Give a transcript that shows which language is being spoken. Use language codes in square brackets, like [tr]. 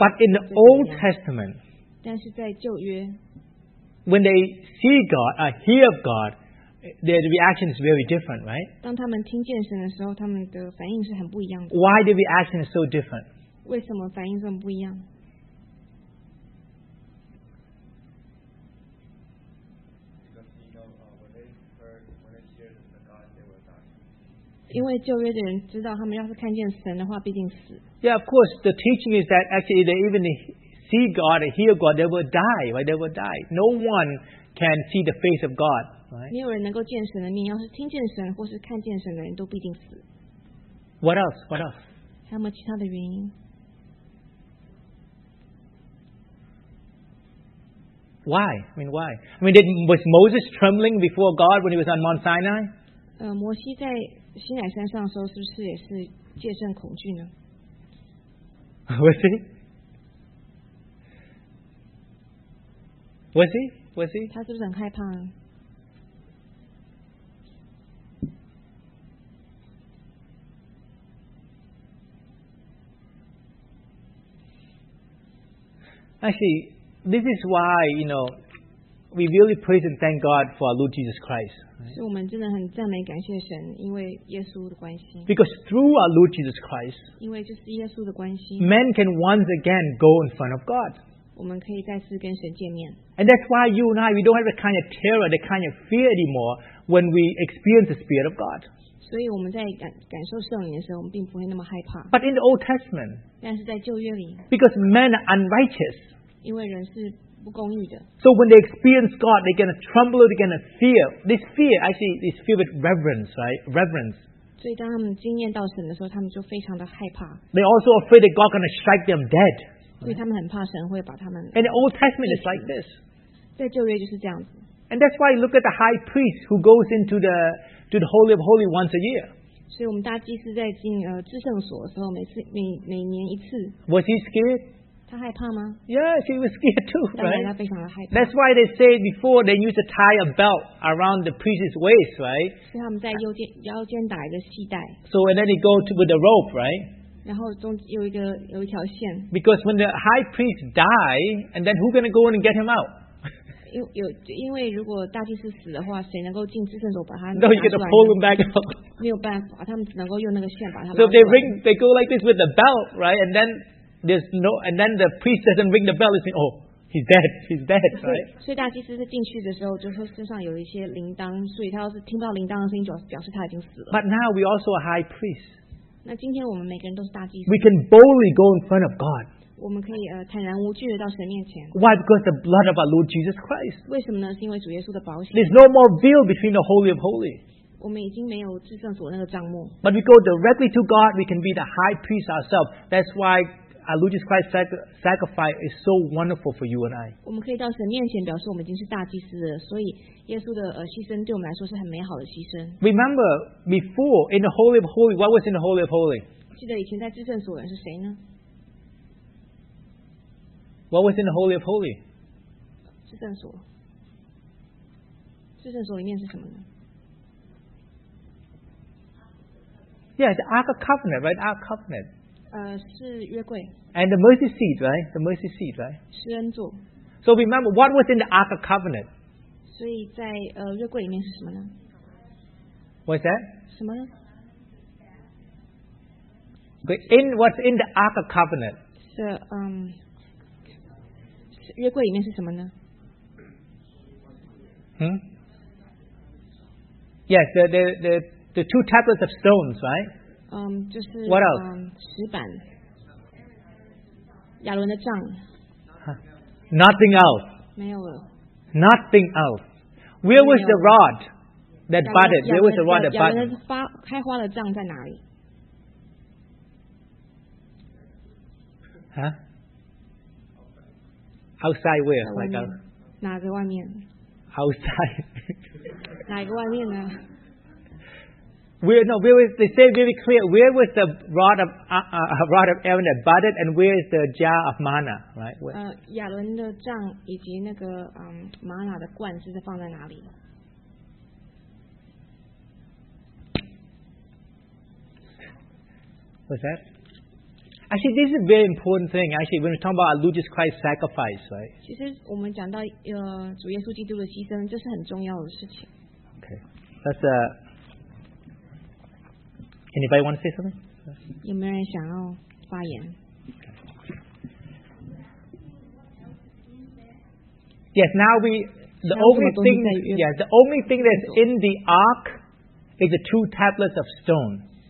[en] But in the Old Testament, [zh] 但是在旧约, [en] when they see God, hear of God, their reaction is very different, right? [zh] 当他们听见神的时候，他们的反应是很不一样的。 [en] Why the reaction is so different? [zh] 为什么反应这么不一样？因为旧约的人知道，他们要是看见神的话，必定死。 [en] Yeah, of course, the teaching is that actually they even see God, hear God, they will die, right? They will die. No one can see the face of God, right? [zh] 没有人能够见神的面，要是听见神或是看见神的人都必定死。 [en] What else? What else? [zh] 还有没有其他的原因？ [en] Why? I mean, why? I mean, was Moses trembling before God when he was on Mount Sinai? [zh] 摩西在西乃山上的时候，是不是也是戒慎恐惧呢？ [en] Was he? Was he? Was he? [zh] 他是不是很害怕啊？ [en] Actually, this is why, you know, we really praise and thank God for our Lord Jesus Christ. [zh] 所以我们真的很赞美感谢神，因为耶稣的关系。 [en] Because through our Lord Jesus Christ, [zh] 因为就是耶稣的关系 [en] ，men can once again go in front of God. [zh] 我们可以再次跟神见面。 [en] And that's why you and I, we don't have the kind of terror, the kind of fear anymore when we experience the Spirit of God. [zh] 所以我们在感受圣灵的时候，我们并不会那么害怕。 [en] But in the Old Testament, [zh] 但是在旧约里 [en] ，because men are unrighteous. [zh] 因为人是 [en] So when they experience God, they're going to tremble, they're going to fear. This fear, actually, is filled with reverence, right? Reverence. [zh] 所以当他们经验到神的时候，他们就非常的害怕。 [en] They're also afraid that God's going to strike them dead. [zh] 所以他们很怕神会把他们。 [en] And the Old Testament is like this. [zh] 在旧约就是这样子。 [en] And that's why you look at the high priest who goes into to the Holy of Holy once a year. [zh] 所以我们大祭司在进至圣所的时候，每年一次。 [en] Was he scared? [zh] 他害怕吗? [en] Yes, he was scared too, right? [zh] 当然他非常的害怕。 [en] That's why they say before they used to tie a belt around the priest's waist, right? [zh] 所以他们在腰间打一个细带。 [en] So and then they go to with the rope, right? [zh] 然后有一条线。 [en] Because when the high priest die, and then who's going to go in and get him out? [zh] 因为如果大祭司死的话，谁能够进至圣所把他拿出来 [en] 呢?No, you get to pull him back out. [zh] 没有办法，他们只能够用那个线把他拿出来。 [en] So they ring, they go like this with the belt, right? And then. There's no, and then the priest doesn't ring the bell. He says, "Oh, he's dead, right?" [zh] 所以大祭司是进去的时候，就说身上有一些铃铛，所以他要是听到铃铛的声音，就表示他已经死了。 [en] But now we also a high priest. [zh] 那今天我们每个人都是大祭司。 [en] We can boldly go in front of God. [zh] 我们可以坦然无惧的到神面前。 [en] Why? Because the blood of our Lord Jesus Christ. [zh] 为什么呢？是因为主耶稣的宝血。 [en] There's no more veil between the Holy of Holy. [zh] 我们已经没有至圣所那个帐幕。 [en] But we go directly to God. We can be the high priest ourselves. That's why. our Lord Jesus Christ's sacrifice is so wonderful for you and I. [zh] 我们可以到神面前表示我们已经是大祭司了，所以耶稣的牺牲对我们来说是很美好的牺牲。 [en] Remember before in the Holy of Holy, what was in the Holy of Holy? [zh] 记得以前在至圣所的人是谁呢？ [en] What was in the Holy of Holy? [zh] 至圣所。至圣所里面是什么呢？ [en] Yeah, the Ark of Covenant, right? Ark of Covenant. [zh] 是约柜。 [en] And the mercy seat, right? The mercy seat, right? [zh] 施恩座。 [en] So remember, what was in the Ark of Covenant? [zh] 所以在约柜里面是什么呢？ [en] What's that? [zh] 什么呢？ [en] But in what's in the Ark of Covenant? [zh] 是约柜里面是什么呢？ [en] Yes, the two tablets of stones, right? [zh] 就是 [en] what else? [zh] 石板，亚伦的杖。 [en] Nothing else. [zh] 没有了。 [en] Nothing else. Where was the rod that budded? Where was the rod that budded? [zh] 亚伦发开花的杖在哪里？ [en] Huh? Outside where? [zh] 哪个外面？ [en] Outside. [zh] 哪个外面呢？ [en] They say very clear. Where was the rod of Aaron that budded, and where is the jar of manna, right? 亚伦的杖以及那个玛拿的罐子是放在哪里？ What's that? Actually, this is a very important thing. Actually, when we talk about our Lord Jesus Christ's sacrifice, right? [zh] 其实我们讲到主耶稣基督的牺牲，这是很重要的事情。 [en] Okay, that's a Anybody want to say something? [zh] 有没有人想要发言？ [en] Yes, now we the only thing the only thing that's in the ark is the two tablets of stone.